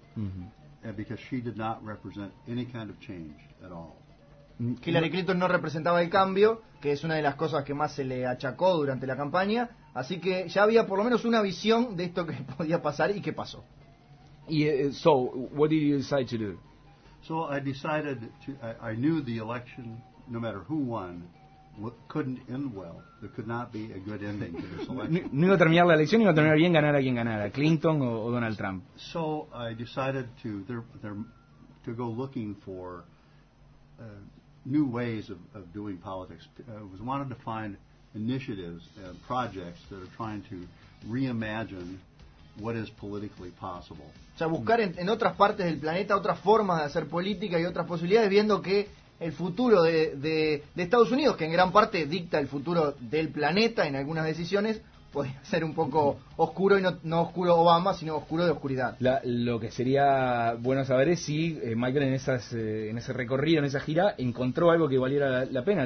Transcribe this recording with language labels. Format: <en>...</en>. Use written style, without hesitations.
<en>And because she did not represent any kind of change at all.</en> <es>Hillary Clinton no representaba el cambio, que es una de las cosas que más se le achacó durante la campaña, así que ya había por lo menos una visión de esto que podía pasar y qué pasó.</es> <en>So, what did you decide to do? So, I decided to, I knew the election, no matter who won, couldn't end well. There could not be a good ending to this election.</en> <es>No iba a terminar la elección, iba a terminar bien ganar a quien ganara, Clinton o Donald Trump.</es> <en>So, I decided to go looking for new ways of doing politics. I was wanted to find initiatives and projects that are trying to reimagine what is politically possible.</en> <es>O sea, buscar en otras partes del planeta otras formas de hacer política y otras posibilidades, viendo que el futuro de Estados Unidos, que en gran parte dicta el futuro del planeta en algunas decisiones, podría ser un poco oscuro, y no oscuro Obama, sino oscuro de oscuridad. Lo que sería bueno saber es si Michael en ese recorrido, en esa gira, encontró algo que valiera la pena.</es>